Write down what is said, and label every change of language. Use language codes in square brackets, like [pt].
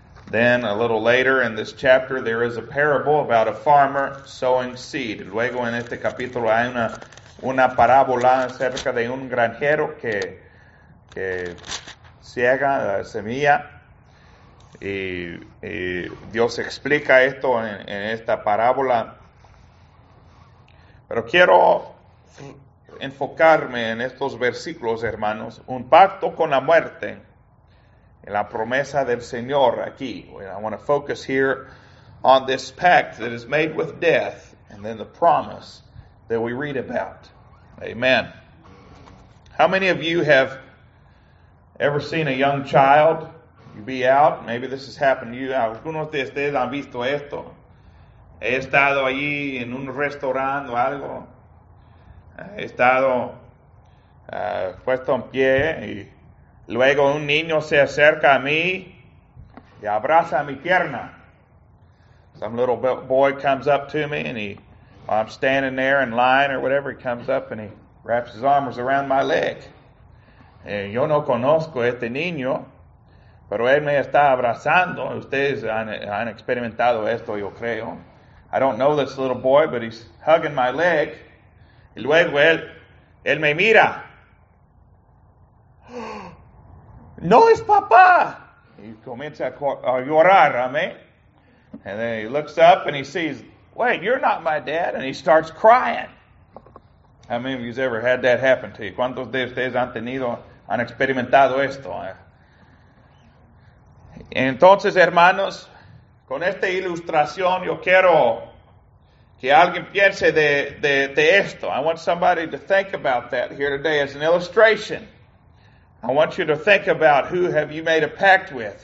[en] Then, a little later in this chapter, there is a parable about a farmer sowing seed. [es] Luego, en este capítulo, hay una parábola acerca de un granjero que ciega la semilla, y Dios explica esto en esta parábola. Pero quiero enfocarme en estos versículos, hermanos. Un pacto con la muerte, en la promesa del Señor aquí. [en] I want to focus here on this pact that is made with death, and then the promise that we read about. Amen. How many of you have ever seen a young child? You be out, maybe this has happened to you. [es] Algunos de ustedes han visto esto. He estado allí en un restaurante o algo. He estado puesto en pie y luego un niño se acerca a mí y abraza mi pierna. [en] Some little boy comes up to me and while I'm standing there in line or whatever, he comes up and he wraps his arms around my leg. [es] And yo no conozco este niño, pero él me está abrazando. Ustedes han experimentado esto, yo creo. [en] I don't know this little boy, but he's hugging my leg. [es] Y luego él me mira. No es papá. Y comienza a llorar, amén. [en] And then he looks up and he sees, wait, you're not my dad. And he starts crying. How many of you have ever had that happen to you? [es] ¿Cuántos de ustedes han tenido, han experimentado esto? Entonces, hermanos, con esta ilustración yo quiero que alguien piense de esto. [en] I want somebody to think about that here today as an illustration. I want you to think about who have you made a pact with?